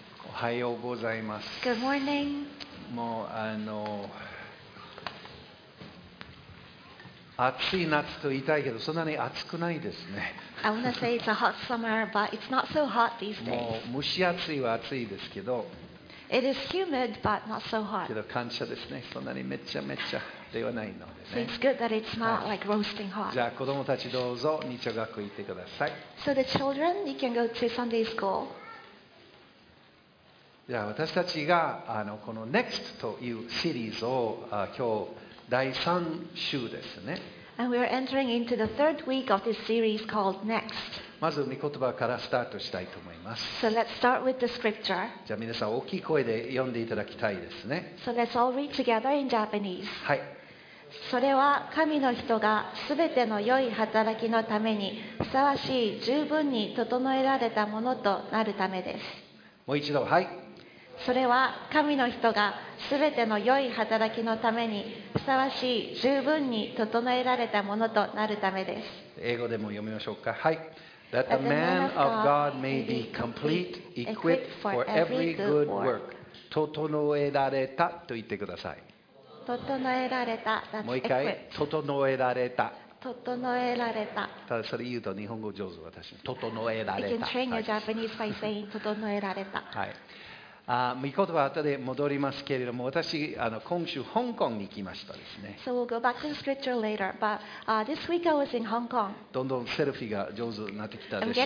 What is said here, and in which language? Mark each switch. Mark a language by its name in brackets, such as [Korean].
[Japanese] おはようございます。 [English] Good morning. [Japanese] もう暑い夏と言いたいけど、そんなに暑くないですね。 [English] I want to say it's a hot summer, but it's not so hot these days. [Japanese] もう蒸し暑いは暑いですけど。 [English] It is humid, but not so hot. [Japanese] けど感謝ですね。そんなにめちゃめちゃではないのでね。 [English] So it's good that it's not like roasting hot. [Japanese] じゃあ子供たちどうぞ日曜学校行ってください。 [English] So the children, you can go to Sunday school. [Japanese] じゃあ私たちがこの Next というシリーズを今日第3週ですね。 [English] And we are entering into the third week of this series called Next. [Japanese] まず御言葉からスタートしたいと思います。 [English] So let's start with the scripture. [Japanese] じゃあ皆さん大きい声で読んでいただきたいですね。 [English] So let's all read together in Japanese. [Japanese] はい。それは神の人がすべての良い働きのためにふさわしい十分に整えられたものとなるためです。もう一度、はい。それは神の人がすべての良い働きのためにふさわしい十分に整えられたものとなるためです。英語でも読みましょうか。はい。 [English] That the man of God may be complete, equipped for every good work. [Japanese] 整えられたと言ってください。整えられた。もう一回。整えられた。整えられた。ただそれ言うと日本語上手。私整えられた。 [English] You can train your Japanese by saying [Japanese] 整えられた。はい。御言葉は後で戻りますけれども、私今週香港に行きましたですね。 [English] So we'll go back to scripture later, but this week I was in Hong Kong. [Japanese] どんどんセルフィーが上手になってきたでしょう。